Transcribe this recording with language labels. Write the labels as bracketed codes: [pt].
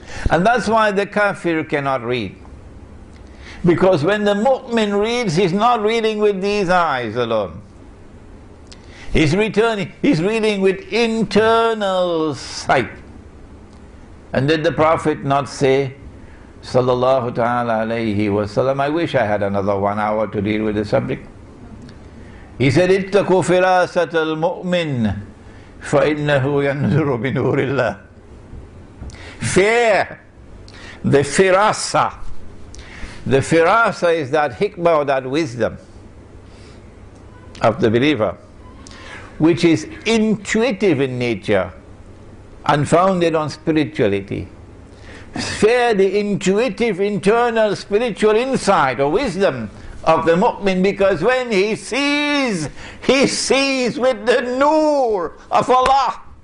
[en] And that's why the kafir cannot read. Because when the mu'min reads, he's not reading with these eyes alone. He's reading with internal sight. And did the Prophet not say, Sallallahu ta'ala alayhi wa sallam, I wish I had another 1 hour to deal with the subject. [ar] He said, اتَّقُوا فِرَاسَةَ الْمُؤْمِنِ فَإِنَّهُ يَنْزُرُ بِنُورِ اللَّهِ. [en] Fear the firasa. The firasa is that hikmah or that wisdom of the believer, which is intuitive in nature and founded on spirituality. Fear the intuitive internal spiritual insight or wisdom of the mu'min, because when he sees with the noor of Allah.